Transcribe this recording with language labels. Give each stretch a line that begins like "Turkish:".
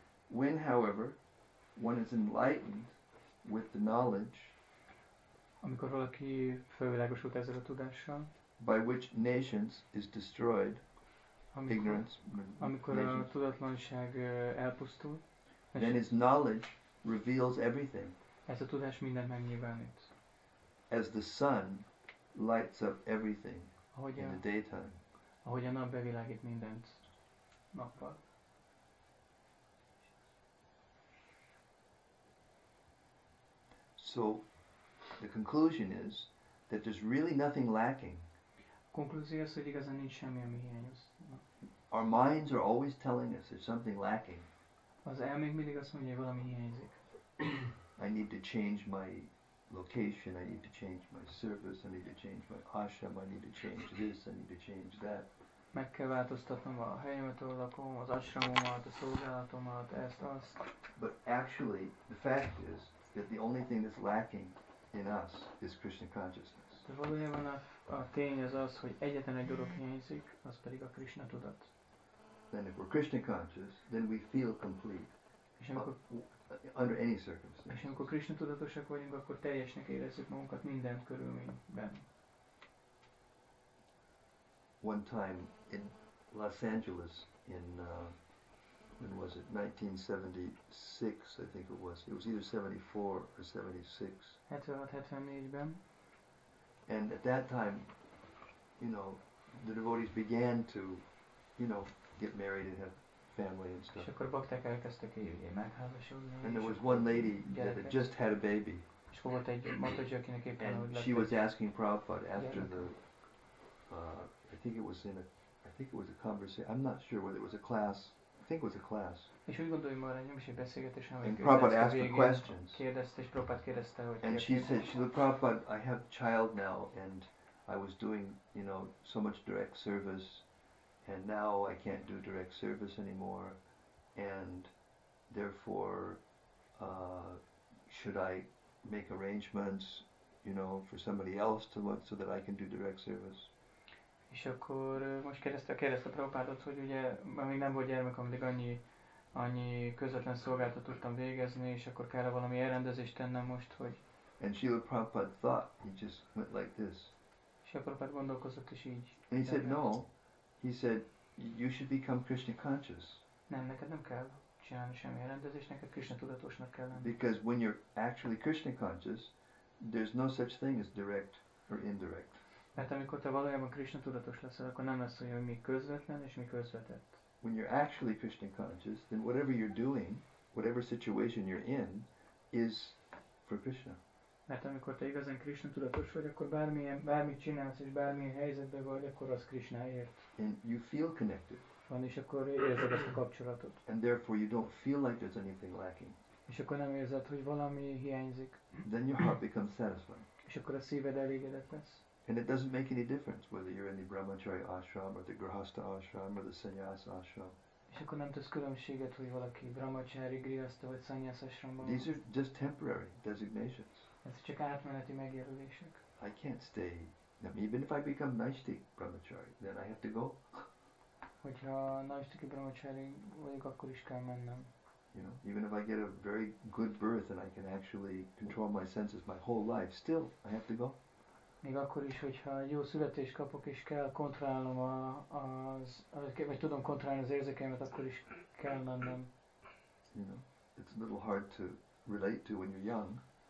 English: When, however, one is enlightened with the knowledge,
Hungarian: amikor valaki felvilágosult ezzel a tudással,
English: by which nations is destroyed,
Hungarian: amikor,
English: ignorance,
Hungarian: amikor
English: nations,
Hungarian: a tudatlanság elpusztul,
English: then his knowledge reveals everything.
Hungarian: Ez a tudás mindent megnyilvánít.
English: As the sun lights up everything in the daytime.
Hungarian: Ahogy a nap bevilágít mindent nappal.
English: So the conclusion is that there's really nothing lacking.
Hungarian: A konklúzió az, hogy igazán nincs semmi, ami hiányozna.
English: Our minds are always telling us there's something lacking.
Hungarian: Az elménk mindig azt mondja, hogy valami hiányzik.
English: I need to change my location, I need to change my service, I need to change my ashram, I need to change this, I need to change that.
Hungarian: Meg kell változtatnom a helyemet, ahol lakom, az ashramomat, a szolgálatomat, ezt, azt.
English: But actually, the fact is that the only thing that's lacking in us is Krishna consciousness.
Hungarian: De valójában a tény az az, hogy egyetlen egy dolog hiányzik, az pedig a Krishna tudat.
English: Then if we're Krishna conscious, then we feel complete.
Hungarian: És amikor
English: under any circumstance.
Hungarian: És amikor Krishna tudatosak vagyunk, akkor teljesnek érezzük magunkat minden körülményben.
English: One time in Los Angeles in when was it? 1976, I think it was. It was either 74 or 76.
Hungarian: 76-74-ben.
English: And at that time, you know, the devotees began to, you know, get married and have family and stuff.
Hungarian: És akkor bakták elkezdtek megházasodni.
English: And there was one lady that had just had a baby.
Hungarian: És volt egy mataji, akinek éppen ahogy lett. And
English: she was asking Prabhupada after the, I think it was a conversation. I'm not sure whether it was a class. I think it was a class.
Hungarian: És úgy gondolom, hogy nem is egy beszélgetés, hanem
English: egy. And Prabhupada asked her questions.
Hungarian: Kérdezte, és Prabhupada kérdezte, hogy.
English: And she said, she said, Prabhupada, I have a child now, and I was doing, you know, so much direct service. And now I can't do direct service anymore, and therefore, should I make arrangements, you know, for somebody else to look so that I can do direct service?
Hungarian: És akkor most kérdezte a Prabhupádot, hogy ugye, amíg nem volt gyermek, amíg annyi közvetlen szolgáltat tudtam végezni, és akkor kell valami elrendezést tennem most, hogy.
English: And Srila Prabhupada thought, he just went like this.
Hungarian: És a Prabhupád gondolkozott is így.
English: And he said no. He said, you should become Krishna conscious.
Hungarian: Nem, neked nem kell csinálni semmi rendezést, neked Krishna tudatosnak kell lenni.
English: Because when you're actually Krishna conscious, there's no such thing as direct or indirect.
Hungarian: Mert amikor te valójában Krishna tudatos leszel, akkor nem lesz olyan, hogy mi közvetlen és mi közvetett.
English: When you're actually Krishna conscious, then whatever you're doing, whatever situation you're in, is for Krishna.
Hungarian: Mert amikor te igazán Krishna tudatos vagy, akkor bármit csinálsz és bármilyen helyzetben vagy, akkor az Krishnaért.
English: And you feel connected.
Hungarian: Van, és akkor érzed ezt a kapcsolatot.
English: And therefore you don't feel like there's anything lacking.
Hungarian: És akkor nem érzed, hogy valami hiányzik.
English: Then your heart becomes satisfied.
Hungarian: És akkor a szíved elégedett lesz.
English: And it doesn't make any difference whether you're in the brahmachari ashram or the grihastha ashram or the sannyas ashram.
Hungarian: És akkor nem tesz különbséget, hogy valaki brahmachari, grihastha vagy sannyas ashramban.
English: These are just temporary designations.
Hungarian: Ez csak átmeneti megjelölések.
English: I can't stay. I mean, even if I become naishtik brahmachari, then I have to go.
Hungarian: Hogyha naishtiki brahmachari vagyok, akkor is kell mennem.
English: You know, even if I get a very good birth and I can actually control my senses my whole life, still I have to go.
Hungarian: Még akkor is, hogyha jó születést kapok és kell kontrollálnom vagy tudom kontrollálni az érzékeimet, akkor is kell mennem.
English: You know, it's a little hard to relate to when you're young.